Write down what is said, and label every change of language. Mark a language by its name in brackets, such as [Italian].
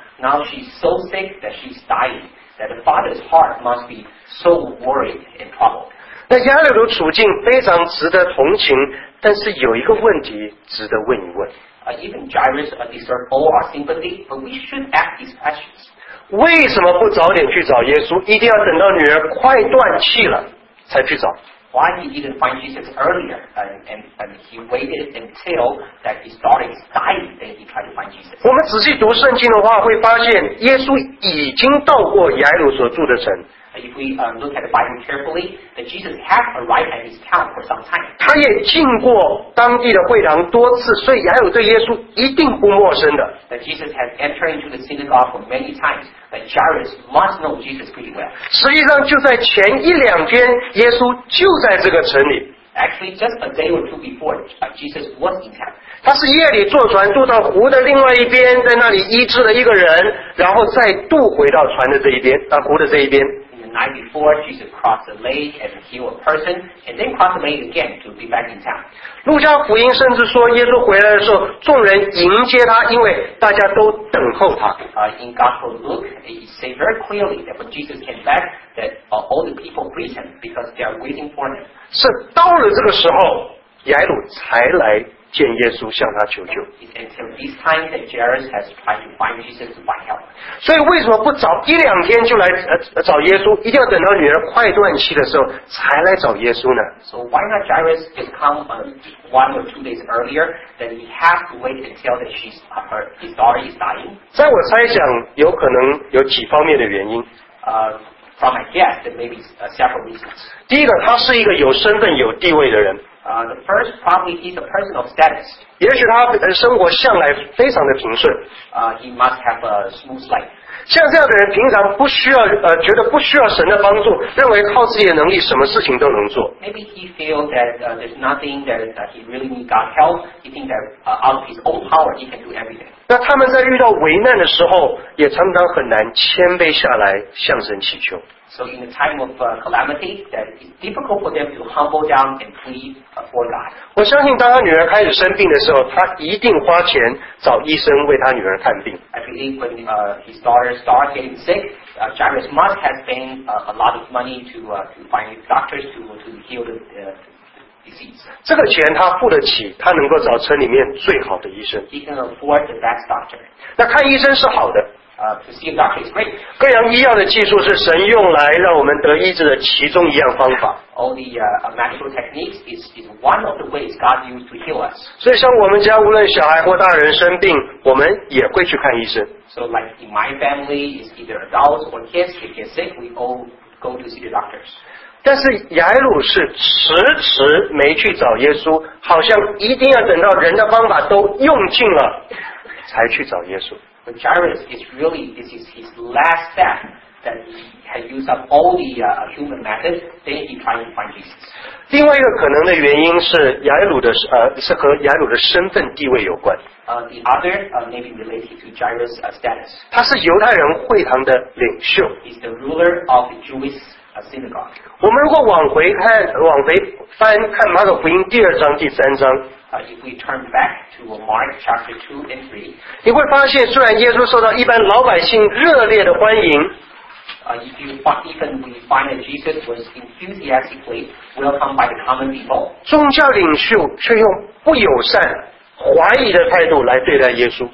[English] Now she's so sick that she's dying, that the father's heart must be so worried and troubled. [Chinese] 那雅鲁的处境非常值得同情，但是有一个问题值得问一问。 [English] Even Jairus deserves all our sympathy, but we should ask these questions. [Chinese] 为什么不早点去找耶稣？一定要等到女儿快断气了才去找 [English] ？Why he didn't find Jesus earlier, and he waited until that his daughter is dying, then he tried to find Jesus. [Chinese] 我们仔细读圣经的话，会发现耶稣已经到过雅鲁所住的城。 [English] If we look at the Bible carefully, that Jesus had arrived at his town for some time. [Chinese] 他也进过当地的会堂多次，所以雅鲁对耶稣一定不陌生的。 [English] That Jesus has entered into the synagogue for many times, but Jairus must know Jesus pretty well. [Chinese] 实际上就在前一两天，耶稣就在这个城里。 [English] Actually, just a day or two before, Jesus was in town. [Chinese] 他是夜里坐船渡到湖的另外一边，在那里医治了一个人，然后再渡回到船的这一边，湖的这一边。 [English] Night before, Jesus crossed the lake and healed a person, and then crossed the lake again to be back in town. [Chinese] 路加福音甚至说，耶稣回来的时候，众人迎接他，因为大家都等候他。 [English] In Gospel Luke, he says very clearly that when Jesus came back, that all the people greet him because they are waiting for him. [Chinese] 是到了这个时候，雅鲁才来见耶稣，向他求救。 [English] It's until this time that Jairus has tried to find Jesus to find help. [Chinese] 所以为什么不早一两天就来找耶稣？一定要等到女儿快断气的时候才来找耶稣呢 [English] ？So why not Jairus just come one or two days earlier? Then he has to wait until that she's her his daughter is dying. [Chinese] 在我猜想，有可能有几方面的原因。 [English] From my guess, there may be several reasons. [Chinese] 第一个，他是一个有身份、有地位的人。 [English] The first probably he's a person of status. [Chinese] 也许他生活向来非常的平顺。 [English] He must have a smooth life. [Chinese] 像这样的人平常不需要觉得不需要神的帮助，认为靠自己的能力什么事情都能做。 [English] Maybe he feels that there's nothing that he really needs God's help. He thinks that out of his own power he can do everything. [Chinese] 那他们在遇到危难的时候，也常常很难谦卑下来向神祈求。 [English] So in the time of calamity, that it's difficult for them to humble down and plead for God. [Chinese] 我相信当他女儿开始生病的时候，他一定花钱找医生为他女儿看病。 [English] I believe when his daughter starts getting sick, Jairus must have spent a lot of money to find doctors to heal the disease. [Chinese] 这个钱他付得起，他能够找城里面最好的医生。 [English] He can afford the best doctor. [Chinese] 那看医生是好的。 [English] To see a doctor is great. [Chinese] 各样医药的技术是神用来让我们得医治的其中一样方法。 [English] All the medical techniques is one of the ways God used to heal us. [Chinese] 所以像我们家无论小孩或大人生病，我们也会去看医生。 [English] So like in my family, is either adults or kids, if they're sick, we all go to see the doctors. [Chinese] 但是雅鲁是迟迟没去找耶稣，好像一定要等到人的方法都用尽了，才去找耶稣。 [English] But Jairus is really, this is his last step that he had used up all the human methods, then he tried to find Jesus. [Chinese] 另外一个可能的原因是雅鲁的是和雅鲁的身份地位有关。 [English] The other may be related to Jairus' status. [Chinese] 他是犹太人会堂的领袖。 [English] He's the ruler of the Jewish synagogue. [Chinese] 我们如果往回看，往回翻看马可福音第二章、第三章。 [English] If we turn back to Mark chapter 2 and 3, [Chinese] 你会发现虽然耶稣受到一般老百姓热烈的欢迎， [English] Even we find that Jesus was enthusiastically welcomed by the common people, [Chinese] 宗教领袖却用不友善怀疑的态度来对待耶稣。